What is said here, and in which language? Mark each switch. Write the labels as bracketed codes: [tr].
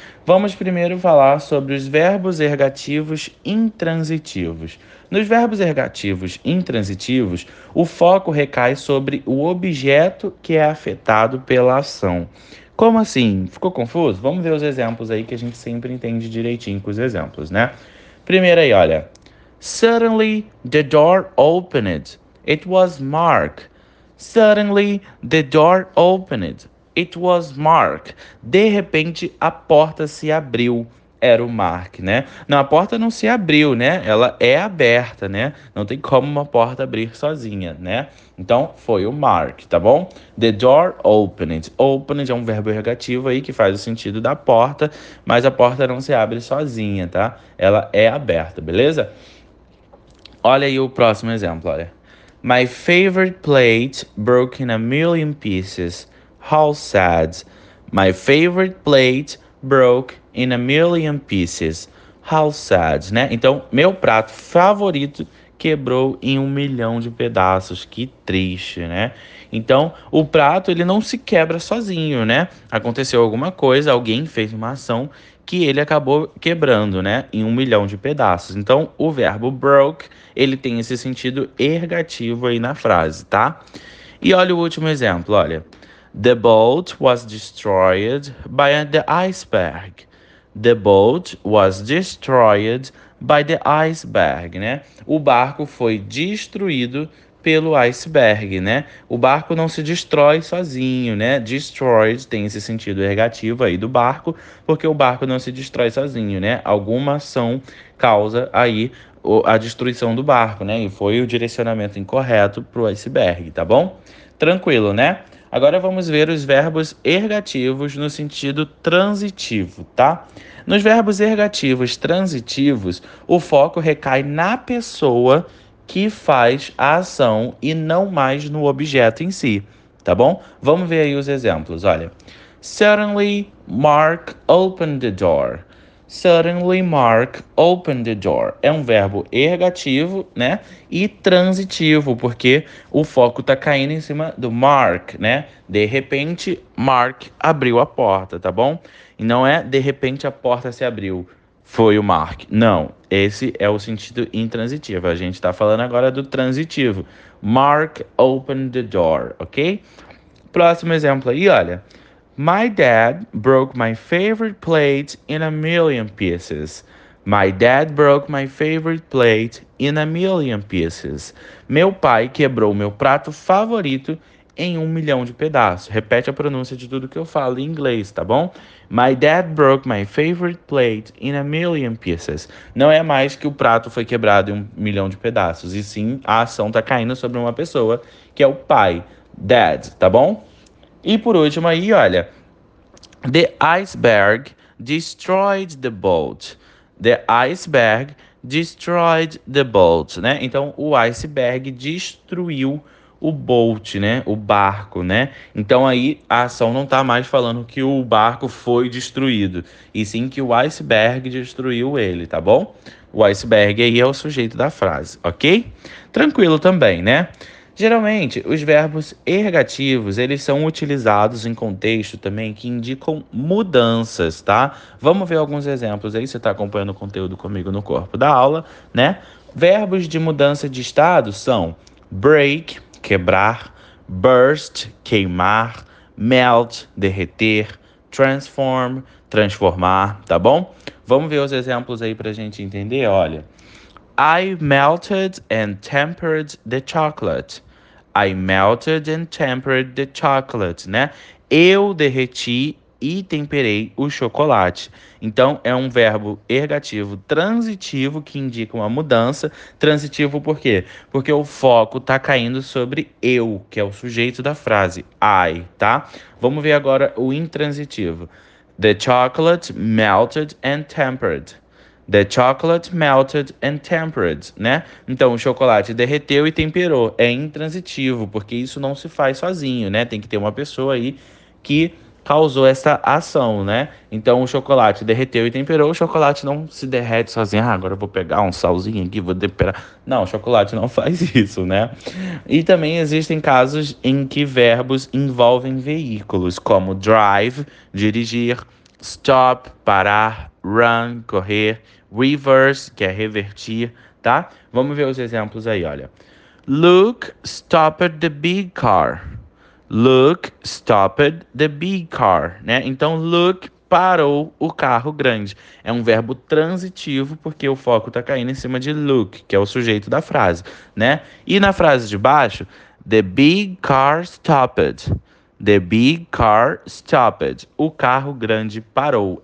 [pt] Vamos primeiro falar sobre os verbos ergativos intransitivos. Nos verbos ergativos intransitivos, o foco recai sobre o objeto que é afetado pela ação. Como assim? Ficou confuso? Vamos ver os exemplos aí que a gente sempre entende direitinho com os exemplos, né? Primeiro aí, olha. [en] Suddenly, the door opened. It was Mark. Suddenly, the door opened. It was Mark. [pt] De repente, a porta se abriu. Era o Mark, né? Não, a porta não se abriu, né? Ela é aberta, né? Não tem como uma porta abrir sozinha, né? Então, foi o Mark, tá bom? [en] The door opened. [pt] Opened é um verbo ergativo aí que faz o sentido da porta, mas a porta não se abre sozinha, tá? Ela é aberta, beleza? Olha aí o próximo exemplo, olha. [en] My favorite plate broke in a million pieces. How sad. My favorite plate broke in a million pieces. How sad, né? [pt] Então, meu prato favorito quebrou em um milhão de pedaços. Que triste, né? Então, o prato, ele não se quebra sozinho, né? Aconteceu alguma coisa, alguém fez uma ação que ele acabou quebrando, né? Em um milhão de pedaços. Então, o verbo broke, ele tem esse sentido ergativo aí na frase, tá? E olha o último exemplo, olha. [en] The boat was destroyed by the iceberg. The boat was destroyed by the iceberg, né? [pt] O barco foi destruído pelo iceberg, né? O barco não se destrói sozinho, né? Destroyed tem esse sentido ergativo aí do barco, porque o barco não se destrói sozinho, né? Alguma ação causa aí a destruição do barco, né? E foi o direcionamento incorreto pro iceberg, tá bom? Tranquilo, né? Agora vamos ver os verbos ergativos no sentido transitivo, tá? Nos verbos ergativos transitivos, o foco recai na pessoa que faz a ação e não mais no objeto em si, tá bom? Vamos ver aí os exemplos, olha. [en] Suddenly, Mark opened the door. Suddenly, Mark opened the door. [pt] É um verbo ergativo, né? E transitivo, porque o foco tá caindo em cima do Mark, né? De repente, Mark abriu a porta, tá bom? E não é de repente a porta se abriu. Foi o Mark. Não, esse é o sentido intransitivo. A gente tá falando agora do transitivo. [en] Mark opened the door, ok? [pt] Próximo exemplo aí, olha. [en] My dad broke my favorite plate in a million pieces. My dad broke my favorite plate in a million pieces. [pt] Meu pai quebrou meu prato favorito em 1 milhão de pedaços. Repete a pronúncia de tudo que eu falo em inglês, tá bom? [en] My dad broke my favorite plate in a million pieces. [pt] Não é mais que o prato foi quebrado em 1 milhão de pedaços, e sim a ação tá caindo sobre uma pessoa, que é o pai, dad, tá bom? E por último aí, olha. [en] The iceberg destroyed the boat. The iceberg destroyed the boat, né? [pt] Então, o iceberg destruiu o boat, né? O barco, né? Então, aí, a ação não tá mais falando que o barco foi destruído, e sim que o iceberg destruiu ele, tá bom? O iceberg aí é o sujeito da frase, ok? Tranquilo também, né? Geralmente, os verbos ergativos, eles são utilizados em contexto também que indicam mudanças, tá? Vamos ver alguns exemplos aí, você está acompanhando o conteúdo comigo no corpo da aula, né? Verbos de mudança de estado são break, quebrar, burst, queimar, melt, derreter, transform, transformar, tá bom? Vamos ver os exemplos aí para a gente entender, olha. [en] I melted and tempered the chocolate. I melted and tempered the chocolate, né? [pt] Eu derreti e temperei o chocolate. Então, é um verbo ergativo transitivo que indica uma mudança. Transitivo por quê? Porque o foco tá caindo sobre eu, que é o sujeito da frase, I, tá? Vamos ver agora o intransitivo. [en] The chocolate melted and tempered. The chocolate melted and tempered, né? [pt] Então, o chocolate derreteu e temperou. É intransitivo, porque isso não se faz sozinho, né? Tem que ter uma pessoa aí que causou essa ação, né? Então, o chocolate derreteu e temperou. O chocolate não se derrete sozinho. Ah, agora eu vou pegar um salzinho aqui, vou temperar. Não, o chocolate não faz isso, né? E também existem casos em que verbos envolvem veículos, como drive, dirigir, stop, parar, run, correr. Reverse, que é revertir, tá? Vamos ver os exemplos aí, olha. [en] Luke stopped the big car. Luke stopped the big car, né? [pt] Então, Luke parou o carro grande. É um verbo transitivo porque o foco tá caindo em cima de Luke, que é o sujeito da frase, né? E na frase de baixo, [en] the big car stopped. The big car stopped. [pt] O carro grande parou.